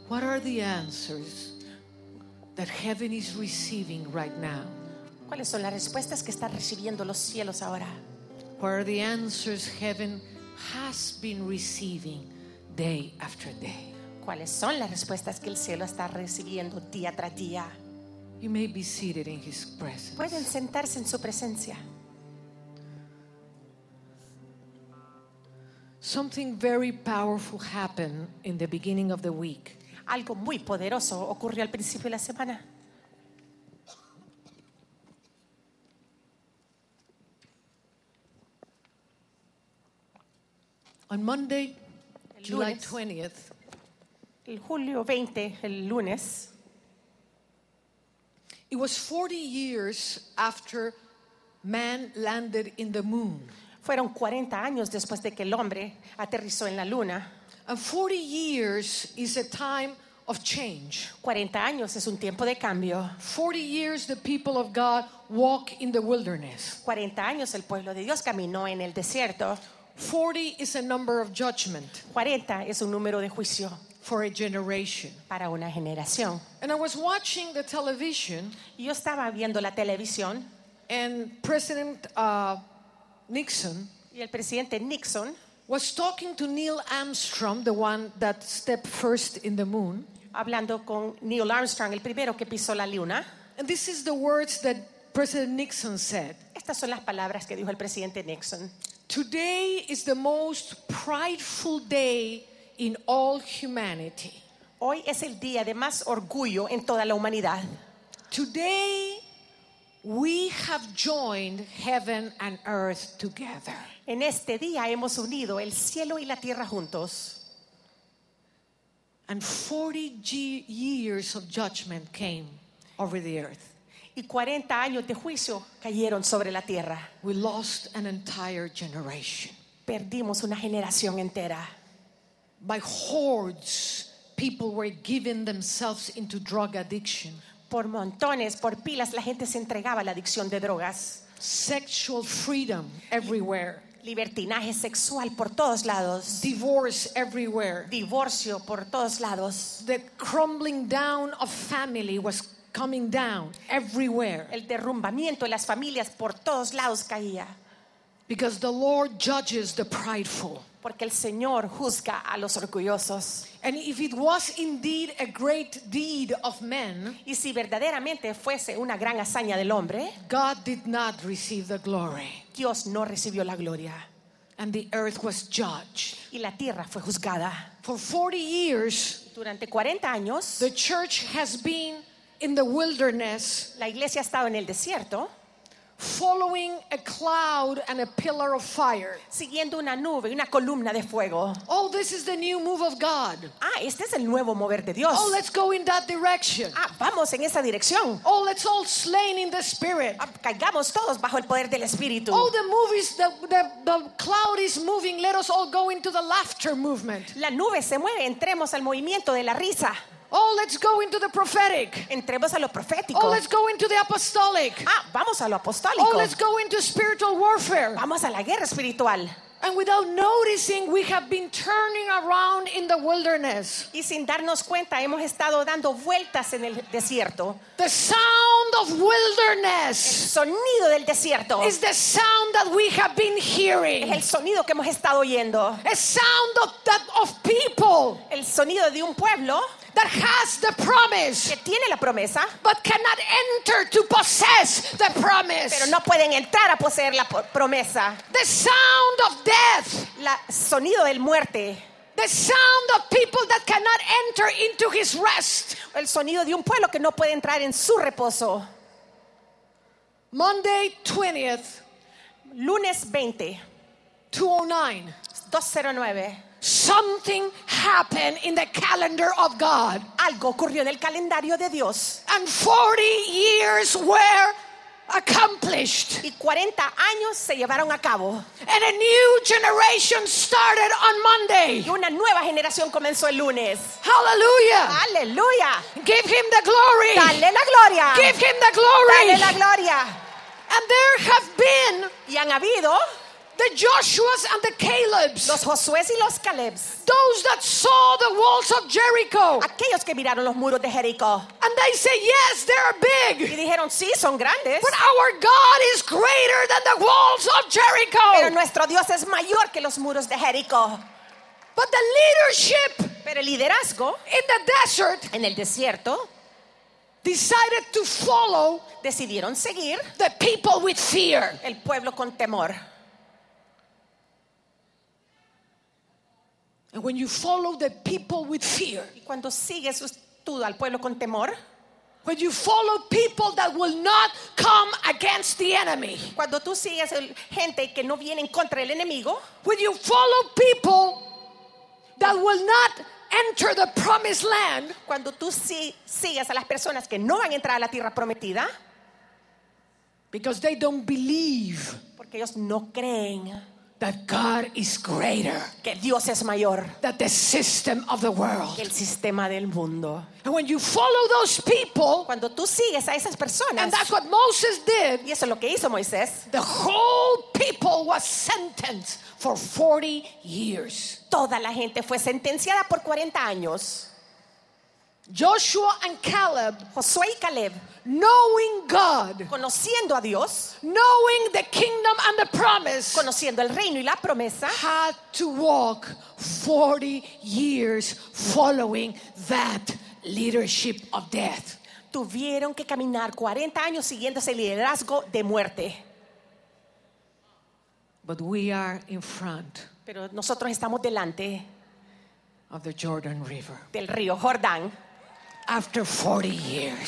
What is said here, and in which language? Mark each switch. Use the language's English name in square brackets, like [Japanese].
[English] What are the answers that heaven is receiving right now? [Spanish] ¿Cuáles son las respuestas que están recibiendo los cielos ahora? [English] What are the answers heaven has been receiving day after day? [Spanish] ¿Cuáles son las respuestas que el cielo está recibiendo día tras día? [English] You may be seated in his presence. [Spanish] Pueden sentarse en su presencia. [English] Something very powerful happened in the beginning of the week. [Spanish] Algo muy poderoso ocurrió al principio de la semana. [English] On Monday, July 20th. [Spanish] El julio 20, el lunes. [English] It was 40 years after man landed in the moon. [Spanish] Fueron 40 años después de que el hombre aterrizó en la luna. [English] And 40 years is a time of change. [Spanish] 40 años es un tiempo de cambio. [English] 40 years the people of God walk in the wilderness. [Spanish] 40 años el pueblo de Dios caminó en el desierto. [English] 40 is a number of judgment. [Spanish] 40 es un número de juicio. [English] For a generation. [Spanish] Para una generación. [English] And I was watching the television. [Spanish] Yo estaba viendo la televisión. [English] And President Nixon. [Spanish] Y el presidente Nixon. [English] Was talking to Neil Armstrong, the one that stepped first in the moon. [Spanish] Hablando con Neil Armstrong, el primero que pisó la luna. [English] And this is the words that President Nixon said. [Spanish] Estas son las palabras que dijo el presidente Nixon. [English] Today is the most prideful day in all humanity. [Spanish] Hoy es el día de más orgullo en toda la humanidad. [English] Today we have joined heaven and earth together. [Spanish] En este día hemos unido el cielo y la tierra juntos. [English] And 40 years of judgment came over the earth. [Spanish] Y 40 años de juicio cayeron sobre la tierra. [English] We lost an entire generation. [Spanish] Perdimos una generación entera. [English] By hordes, people were giving themselves into drug addiction. [Spanish] Por montones, por pilas, la gente se entregaba a la adicción de drogas. [English] Sexual freedom everywhere. [Spanish] Libertinaje sexual por todos lados. [English] Divorce everywhere. [Spanish] Divorcio por todos lados. [English] The crumbling down of family was coming down everywhere. [Spanish] El derrumbamiento de las familias por todos lados caía. [English] Because the Lord judges the prideful. [Spanish] Porque el Señor juzga a los orgullosos. [English] And if it was indeed a great deed of men, [Spanish] y si verdaderamente fuese una gran hazaña del hombre, [English] God did not receive the glory. [Spanish] Dios no recibió la gloria. [English] And the earth was judged. [Spanish] Y la tierra fue juzgada. [English] For 40 years, [Spanish] durante 40 años, [English] the church has been in the wilderness. [Spanish] La iglesia ha estado en el desierto. [English] Following a cloud and a pillar of fire. [Spanish] Siguiendo una nube y una columna de fuego. [English] Oh, this is the new move of God. [Spanish] Ah, este es el nuevo mover de Dios. [English] Oh, let's go in that direction. [Spanish] Ah, vamos en esa dirección. [English] Oh, let's all slain in the spirit. [Spanish] Ah, caigamos todos bajo el poder del espíritu. [English] Oh, the move is the cloud is moving. Let us all go into the laughter movement. [Spanish] La nube se mueve. Entremos al movimiento de la risa. [English] Oh, let's go into the prophetic. [Spanish] Entremos a lo profético. [English] Oh, let's go into the apostolic. [Spanish] Ah, vamos a lo apostólico. [English] Oh, let's go into spiritual warfare. [Spanish] Vamos a la guerra espiritual. [English] And without noticing, we have been turning around in the wilderness. [Spanish] Y sin darnos cuenta, hemos estado dando vueltas en el desierto. [English] The sound of wilderness. [Spanish] El sonido del desierto. [English] Is the sound that we have been hearing. [Spanish] Es el sonido que hemos estado oyendo. [English] A sound of people. [Spanish] El sonido de un pueblo. [English] That has the promise, [Spanish] que tiene la promesa, [English] but cannot enter to possess the promise. [Spanish] Pero no pueden entrar a poseer la promesa. [English] The sound of death, [Spanish] la sonido del muerte. [English] The sound of people that cannot enter into his rest. [Spanish] El sonido de un pueblo que no puede entrar en su reposo. [English] Monday 20th, [Spanish] lunes 20, [English] 209. Something happened in the calendar of God. [Spanish] Algo ocurrió en el calendario de Dios. [English] And 40 years were accomplished. [Spanish] Y 40 años se llevaron a cabo. [English] And a new generation started on Monday. [Spanish] Y una nueva generación comenzó el lunes. [English] Hallelujah. [Spanish] Hallelujah. [English] Give him the glory. [Spanish] Dale la gloria. [English] Give him the glory. [Spanish] Dale la gloria. [English] And there have been. [Spanish] Y han habido. [English] The Joshuas and the Calebs. [Spanish] Los Josués y los Calebs. [English] Those that saw the walls of Jericho. [Spanish] Aquellos que miraron los muros de Jericó. [English] And they say, yes, they're big. [Spanish] Y dijeron, sí, son grandes. [English] But our God is greater than the walls of Jericho. [Spanish] Pero nuestro Dios es mayor que los muros de Jericó. [English] But the leadership. [Spanish] Pero el liderazgo. [English] In the desert. [Spanish] En el desierto. [English] Decided to follow. [Spanish] Decidieron seguir. [English] The people with fear. [Spanish] El pueblo con temor. [English] And when you follow the people with fear, [Spanish] y cuando sigues tú al pueblo con temor, [English] when you follow people that will not come against the enemy, [Spanish] cuando tú sigues gente que no viene en contra del enemigo, [English] when you follow people that will not enter the promised land, [Spanish] cuando tú sigues a las personas que no van a entrar a la tierra prometida, [English] because they don't believe, [Spanish] porque ellos no creen. [English] That God is greater. [Spanish] Que Dios es mayor. [English] That the system of the world. [Spanish] El sistema del mundo. [English] And when you follow those people. [Spanish] Cuando tú sigues a esas personas. [English] And that's what Moses did. [Spanish] Y eso es lo que hizo Moisés. [English] The whole people was sentenced for 40 years. [Spanish] Toda la gente fue sentenciada por 40 años. [English] Joshua and Caleb. [Spanish] Josué y Caleb. [English] Knowing God, [Spanish] conociendo a Dios, [English] knowing the kingdom and the promise, [Spanish] conociendo el reino y la promesa, [English] had to walk 40 years following that leadership of death. [Spanish] Tuvieron que caminar 40 años siguiendo ese liderazgo de muerte. [English] But we are in front. [Spanish] Pero nosotros estamos delante [English] of the Jordan River. [Spanish] Del río Jordán. [English] After 40 years.